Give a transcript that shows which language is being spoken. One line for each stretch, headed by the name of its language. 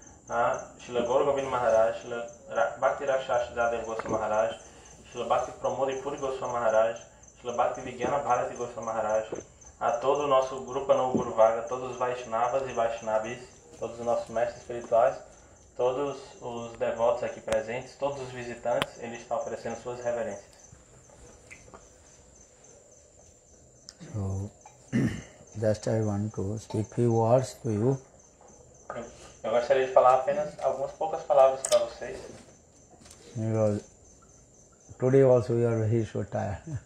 Portuguese: a Srila Gaura Govinda Maharaj, Srila Bhakti Rakshasa Dadev Goswami Maharaj, Srila Bhakti Pramodi Puri Goswami Maharaj, Srila Bhakti Vigyana Bharati Goswami Maharaj, a todo o nosso grupo Anu Guru Vaga, todos os Vaishnavas e Vaishnavis, todos os nossos mestres espirituais, todos os devotos aqui presentes, todos os visitantes, ele está oferecendo suas reverências.
English: So, just I want to speak few words to you.
Portuguese: Eu gostaria de falar apenas algumas poucas palavras para vocês.
English: Because today also we are very so tired.